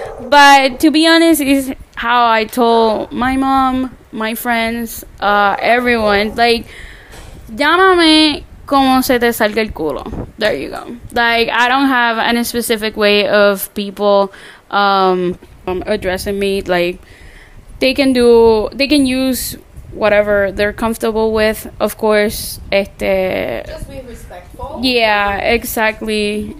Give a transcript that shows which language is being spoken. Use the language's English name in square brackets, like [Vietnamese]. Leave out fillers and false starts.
[English] But to be honest, is how I told my mom, my friends, everyone. [Spanish] Like, llámame como se te salga el culo. [English] There you go. Like, I don't have any specific way of people addressing me. Like, they can use whatever they're comfortable with. Of course, just be respectful. Yeah, exactly.